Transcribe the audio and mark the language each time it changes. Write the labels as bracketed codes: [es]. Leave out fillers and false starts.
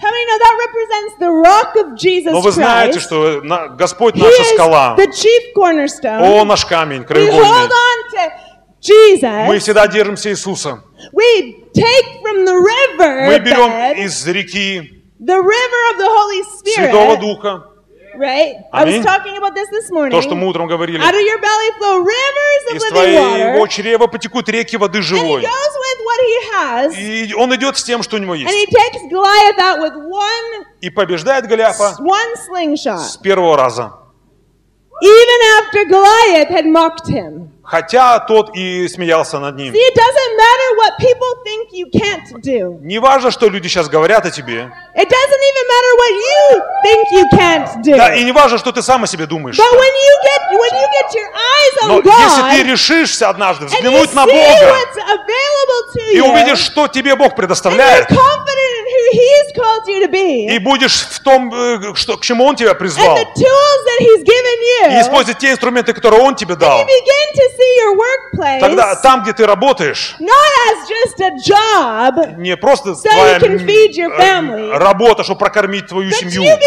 [en] How many know that represents the rock of Jesus Christ? [ru] Но вы знаете, что Господь наша скала. [en] He is the chief cornerstone. [ru] Он наш камень краеугольный. [en] We hold on to Jesus. [ru] Мы всегда держимся Иисуса. [en] We take from the river. [ru] Мы берем из реки. [en] The river of the Holy Spirit. [ru] Святого Духа. [en] Right? [ru] Аминь. [en] I was talking about this this morning. [ru] То, что мы утром говорили. [en] Out of your belly flow rivers of [ru] из [en] living water. [ru] Твоего чрева потекут реки воды живой. [en] And he goes with what he has. [ru] И он идет с тем, что у него есть. [en] And he takes Goliath out with one. [ru] И побеждает Голиафа. [en] One slingshot. [ru] С первого раза. [en] Even after Goliath had mocked him. [ru] Хотя тот и смеялся над ним. [en] See, it doesn't matter what people think you can't do. [ru] Не важно, что люди сейчас говорят о тебе. [en] It doesn't even matter what you think you can't do. [ru] Да, и не важно, что ты сам о себе думаешь. [en] But when you get your eyes on God, [ru] но если ты решишься однажды взглянуть на Бога, [en] what's available to you, [ru] и увидишь, что тебе Бог предоставляет, [en] and you're confident in who He's called you to be, [ru] и будешь в том, что, к чему Он тебя призвал, [en] and the tools that He's given you, [ru] и использовать те инструменты, которые Он тебе дал, [en] and you begin to see your workplace, [ru] тогда там, где ты работаешь, [en] not as just a job, [ru] не просто [en] so [ru] твоя, [en] you can feed your family, [ru] работа, чтобы прокормить твою семью.